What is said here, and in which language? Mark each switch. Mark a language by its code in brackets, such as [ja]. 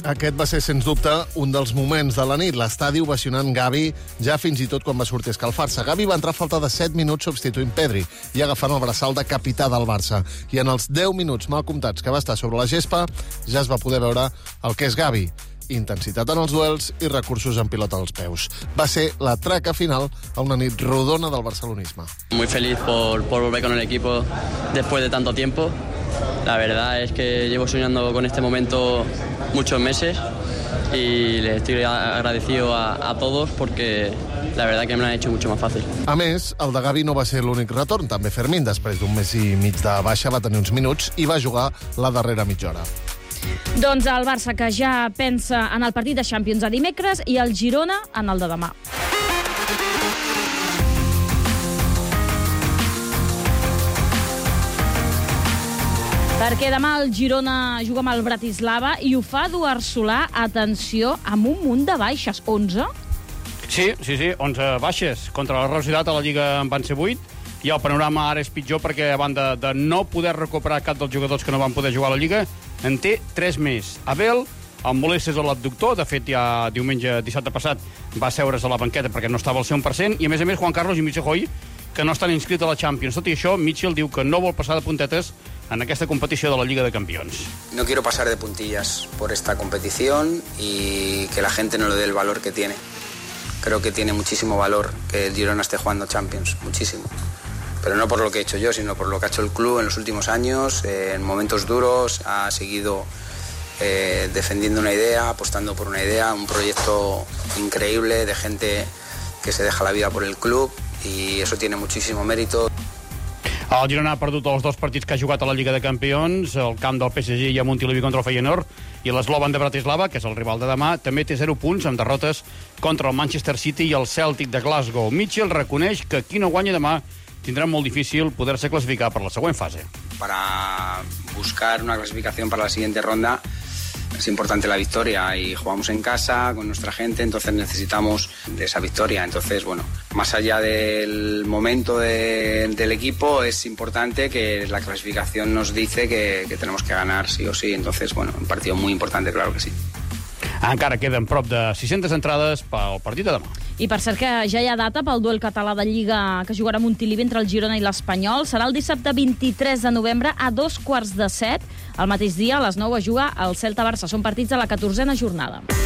[ca] Aquest va ser, sens dubte, un dels moments de la nit. L'estadi ovacionant Gavi, ja fins i tot quan va sortir a escalfar-se. Gavi va entrar a falta de 7 minuts substituint Pedri i agafant el braçal de capità del Barça. I en els 10 minuts mal comptats que va estar sobre la gespa, ja es va poder veure el que és Gavi. Intensitat en els duels i recursos en pilota als peus. Va ser la traca final a una nit rodona del barcelonisme. [es] Muy feliz por volver con el equipo después de tanto tiempo. La verdad es que llevo soñando con este momento muchos meses y les estoy agradecido a todos porque la verdad que me lo han hecho mucho más fácil. [ca] A més, el de Gavi no va ser l'únic retorn. També Fermín, després d'un mes i mig de baixa, va tenir uns minuts i va jugar la darrera mitja hora. Doncs el Barça, que ja pensa en el partit de Champions a dimecres, i el Girona en el de demà. Perquè demà el Girona juga amb el Bratislava i ho fa Eduard Solà, atenció, amb un munt de baixes, 11? Sí, 11 baixes. Contra la Real Sociedad a la Lliga en van ser 8. I el panorama ara és pitjor perquè, a banda de no poder recuperar cap dels jugadors que no van poder jugar a la Lliga, en té 3 més. Abel, amb molèsties a l'abductor, de fet, ja diumenge, dissabte passat, va seure's a la banqueta perquè no estava al 100%, i, a més a més, Juan Carlos i Mitchell Hoy, que no estan inscrits a la Champions. Tot i això, Mitchell diu que no vol passar de puntetes en aquesta competició de la Lliga de Campions. [es] No quiero pasar de puntillas por esta competición y que la gente no le dé el valor que tiene. Creo que tiene muchísimo valor que el Girona esté jugando Champions, muchísimo. Pero no por lo que he hecho yo, sino por lo que ha hecho el club en los últimos años, en momentos duros, ha seguido defendiendo una idea, apostando por una idea, un proyecto increíble de gente que se deja la vida por el club y eso tiene muchísimo mérito. [ca] El Girona ha perdut els dos partits que ha jugat a la Lliga de Campions, el camp del PSG i a Montilivi contra el Feyenoord, i l'Slovan de Bratislava, que és el rival de demà, també té 0 punts amb derrotes contra el Manchester City i el Celtic de Glasgow. Mitchell reconeix que qui no guanya demà tindrà molt difícil poder-se classificar per la següent fase. [es] Para buscar una clasificación para la siguiente ronda es importante la victoria y jugamos en casa con nuestra gente, entonces necesitamos de esa victoria. Entonces, bueno, más allá del momento del equipo, es importante que la clasificación nos dice que tenemos que ganar sí o sí. Entonces, bueno, un partido muy importante, claro que sí. [ca] Encara queden prop de 600 entrades pel partit de demà. I per cert que ja hi ha data pel duel català de Lliga que jugarà Montilivi entre el Girona i l'Espanyol. Serà el dissabte 23 de novembre a 6:45. El mateix dia a les 9 es juga el Celta-Barça. Són partits de la 14a jornada.